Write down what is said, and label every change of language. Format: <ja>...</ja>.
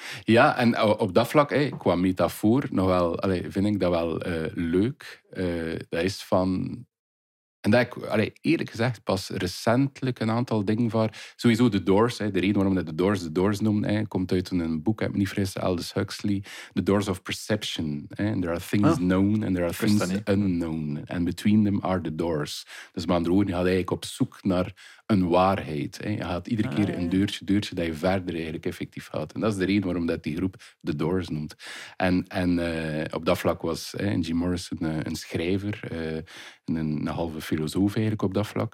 <nl>Ja, en op dat vlak, qua metafoor, nog wel, vind ik dat wel leuk. Dat is van... En dat ik, eerlijk gezegd, pas recentelijk een aantal dingen van... Sowieso The Doors, de reden waarom dat The Doors noemen, komt uit een boek, heb ik niet vergeten, Aldous Huxley. The Doors of Perception.</nl> <en>And there are things known and there are things unknown. And between them are the doors.</en> <nl>Dus met andere woorden, je gaat eigenlijk op zoek naar een waarheid. Je gaat iedere keer een deurtje dat je verder eigenlijk effectief gaat. En dat is de reden waarom dat die groep The Doors noemt. En op dat vlak was Jim Morrison een schrijver, een halve filosoof eigenlijk op dat vlak.</nl>